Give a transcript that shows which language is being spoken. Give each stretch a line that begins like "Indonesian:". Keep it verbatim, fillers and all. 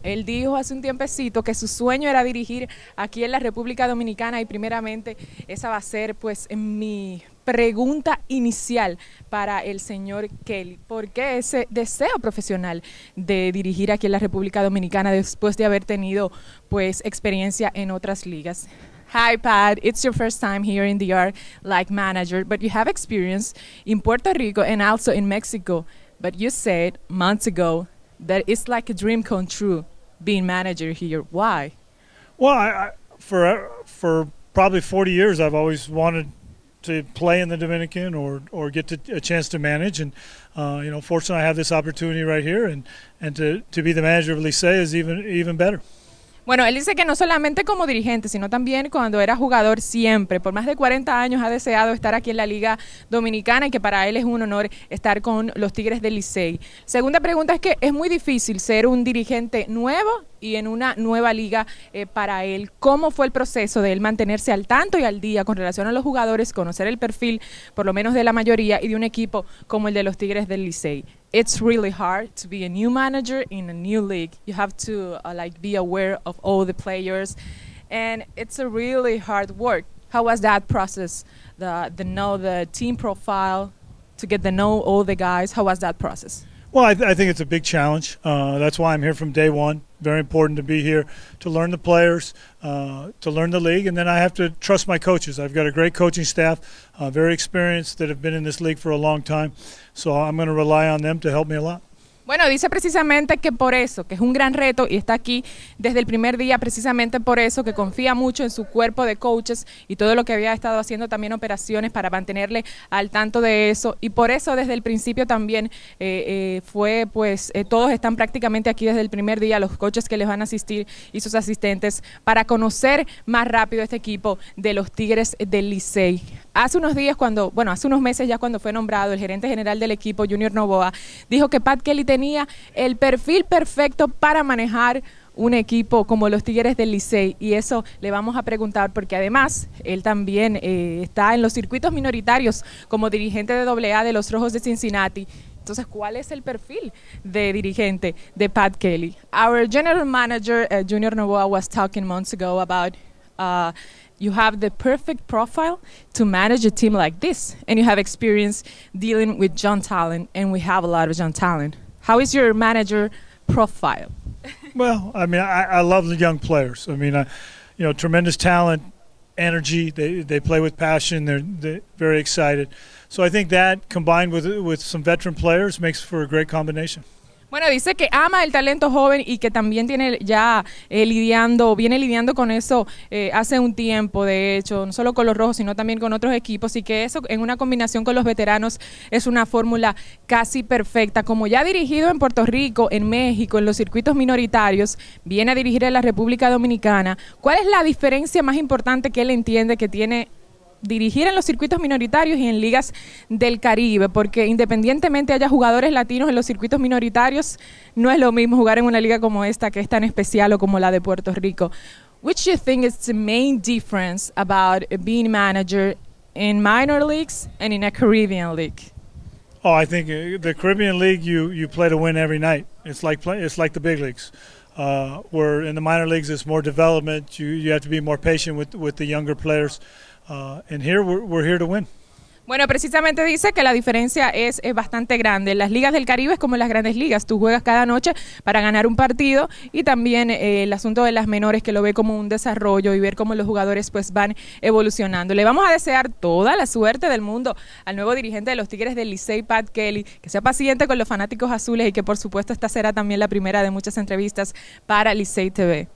Spanish: Él dijo hace un tiempecito que su sueño era dirigir aquí en la República Dominicana y primeramente esa va a ser pues mi pregunta inicial para el señor Kelly. ¿Por qué ese deseo profesional de dirigir aquí en la República Dominicana después de haber tenido pues experiencia en otras ligas?
English: Hi Pat, it's your first time here in the yard like manager, but you have experience in Puerto Rico and also in Mexico. But you said months ago that it's like a dream come true being manager here. Why? Well, I, I, for for probably forty years I've always wanted to play in the Dominican or or get to, a chance to manage, and uh, you know, fortunately I have this opportunity right here, and and to to be the manager of Licey is even even better.
Spanish: Bueno, él dice que no solamente como dirigente, sino también cuando era jugador siempre. Por más de cuarenta años ha deseado estar aquí en la Liga Dominicana y que para él es un honor estar con los Tigres del Licey. Segunda pregunta es que es muy difícil ser un dirigente nuevo y en una nueva liga eh, para él. ¿Cómo fue el proceso de él mantenerse al tanto y al día con relación a los jugadores, conocer el perfil, por lo menos de la mayoría, y de un equipo como el de los Tigres del Licey?
English: It's really hard to be a new manager in a new league. You have to uh, like be aware of all the players, and it's a really hard work. How was that process? The the know the team profile, to get to know all the guys. How was that process? Well, I, th- I think it's a big challenge. Uh, that's why I'm here from day one. Very important to be here to learn the players, uh, to learn the league, and then I have to trust my coaches. I've got a great coaching staff, uh, very experienced, that have been in this league for a long time, so I'm going to rely on them to help me a lot.
Spanish: Bueno, dice precisamente que por eso, que es un gran reto y está aquí desde el primer día, precisamente por eso, que confía mucho en su cuerpo de coaches y todo lo que había estado haciendo también operaciones para mantenerle al tanto de eso, y por eso desde el principio también eh, eh, fue pues eh, todos están prácticamente aquí desde el primer día, los coaches que les van a asistir y sus asistentes, para conocer más rápido este equipo de los Tigres del Licey. Hace unos días cuando, bueno, hace unos meses ya cuando fue nombrado el gerente general del equipo, Junior Novoa, dijo que Pat Kelly tenía el perfil perfecto para manejar un equipo como los Tigres del Licey, y eso le vamos a preguntar porque además él también eh, está en los circuitos minoritarios como dirigente de doble A de los Rojos de Cincinnati. Entonces, ¿cuál es el perfil de dirigente de Pat Kelly?
English: Our general manager, uh, Junior Novoa, was talking months ago about uh, you have the perfect profile to manage a team like this, and you have experience dealing with young talent, and we have a lot of young talent. How is your manager profile? Well, I mean, I, I love the young players. I mean, I, you know, tremendous talent, energy. They they play with passion. They're, they're very excited. So I think that combined with with some veteran players makes for a great combination.
Spanish: Bueno, dice que ama el talento joven y que también tiene ya eh, lidiando, viene lidiando con eso eh, hace un tiempo, de hecho, no solo con los Rojos, sino también con otros equipos, y que eso en una combinación con los veteranos es una fórmula casi perfecta. Como ya ha dirigido en Puerto Rico, en México, en los circuitos minoritarios, viene a dirigir en la República Dominicana. ¿Cuál es la diferencia más importante que él entiende que tiene dirigir en los circuitos minoritarios y en ligas del Caribe? Porque independientemente haya jugadores latinos en los circuitos minoritarios, no es lo mismo jugar en una liga como esta, que es tan especial, o como la de Puerto Rico.
English: Which you think is the main difference about being manager in minor leagues and in a Caribbean league? Oh, I think the Caribbean league you you play to win every night. It's like play, it's like the big leagues. Uh, where in the minor leagues it's more development. You you have to be more patient with with the younger players. Uh, and here we're, we're here to win.
Spanish: Bueno, precisamente dice que la diferencia es, es bastante grande. Las ligas del Caribe es como las grandes ligas. Tú juegas cada noche para ganar un partido, y también eh, el asunto de las menores, que lo ve como un desarrollo y ver cómo los jugadores pues van evolucionando. Le vamos a desear toda la suerte del mundo al nuevo dirigente de los Tigres del Licey, Pat Kelly, que sea paciente con los fanáticos azules y que por supuesto esta será también la primera de muchas entrevistas para Licey T V.